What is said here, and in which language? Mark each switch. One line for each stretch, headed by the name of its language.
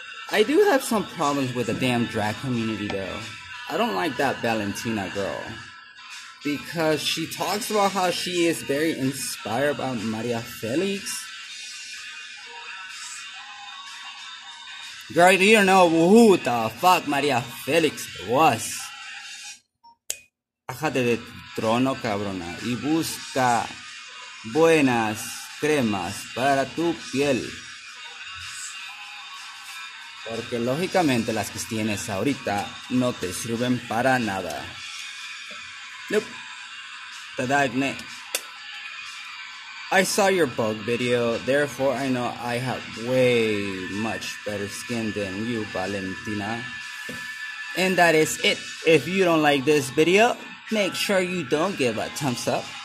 English: I do have some problems with the damn drag community though. I don't like that Valentina girl. Because she talks about how she is very inspired by Maria Felix. Girl, you don't know who the fuck Maria Felix was.
Spanish: Bájate de tu trono, cabrona, y busca buenas cremas para tu piel. Porque lógicamente las que tienes ahorita no te sirven para nada. Nope. Te da acné.
English: I saw your bug video, therefore I know I have way much better skin than you, Valentina. And that is it. If you don't like this video, make sure you don't give a thumbs up.